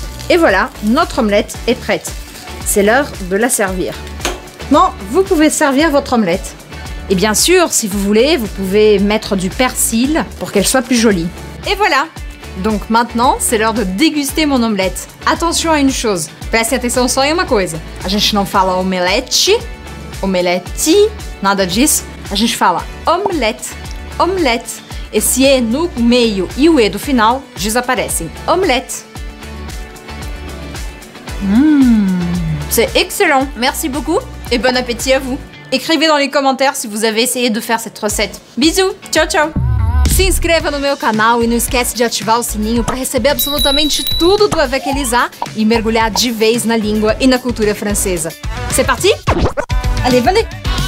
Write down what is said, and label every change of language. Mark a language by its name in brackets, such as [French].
[French] Et voilà, notre omelette est prête. C'est l'heure de la servir. Maintenant, vous pouvez servir votre omelette. Et bien sûr, si vous voulez, vous pouvez mettre du persil pour qu'elle soit plus jolie. Et voilà. Donc maintenant, c'est l'heure de déguster mon omelette. Attention à une chose. [Portuguese] Preste atenção só em uma coisa. A gente não fala omelete. Omelette, nada disso. A gente fala omelette, omelette. Esse E no meio e o E do final desaparecem. Omelette. [French] C'est excellent. Merci beaucoup et bon appétit à vous. Écrivez dans les commentaires si vous avez essayé de faire cette recette. Bisous, ciao ciao. [Portuguese] Se inscreva no meu canal e não esquece de ativar o sininho para receber absolutamente tudo do Avec Elisa e mergulhar de vez na língua e na cultura francesa. [French] C'est parti? Allez, venez !